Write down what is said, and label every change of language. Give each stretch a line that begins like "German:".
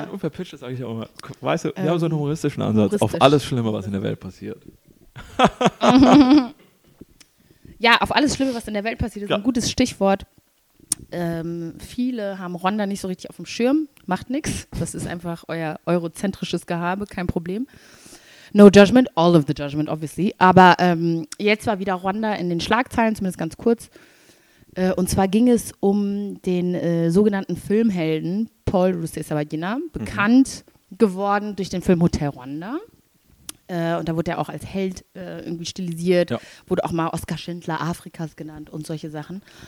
German: Wenn ich unverpitcht, sage ich auch immer, weißt du, wir haben so einen humoristischen Ansatz auf alles Schlimme, was in der Welt passiert. Ja, auf alles Schlimme, was in der Welt passiert, ist ein gutes Stichwort. Viele haben Rhonda nicht so richtig auf dem Schirm, macht nichts. Das ist einfach euer eurozentrisches Gehabe, kein Problem.
English: No judgment, all of the judgment, obviously.
German: Aber jetzt war wieder Rhonda in den Schlagzeilen, zumindest ganz kurz. Und zwar ging es um den sogenannten Filmhelden Paul Rusesabagina, bekannt geworden durch den Film Hotel Rwanda. Und da wurde er auch als Held irgendwie stilisiert, wurde auch mal Oskar Schindler Afrikas genannt und solche Sachen.